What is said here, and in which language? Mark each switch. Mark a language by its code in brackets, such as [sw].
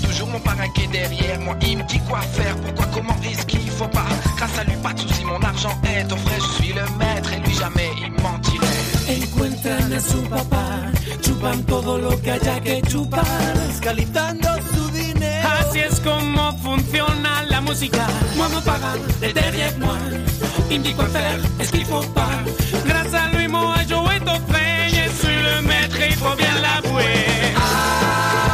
[fr] Mon parrain qui est derrière moi, il me dit quoi faire, pourquoi, comment, est-ce qu'il faut pas. Grâce à lui, pas de soucis, mon argent est au frais. Je suis le maître et lui jamais il mentirait. [es] Encuentran a su papá, chupan todo lo que haya que chupar, escalitando su dinero. Así es como funciona la música. [fr] Mon parrain est derrière moi, il me dit quoi faire, est-ce qu'il faut pas. Grâce à lui, moi, je suis au frais. Je suis le maître, il faut bien l'avouer.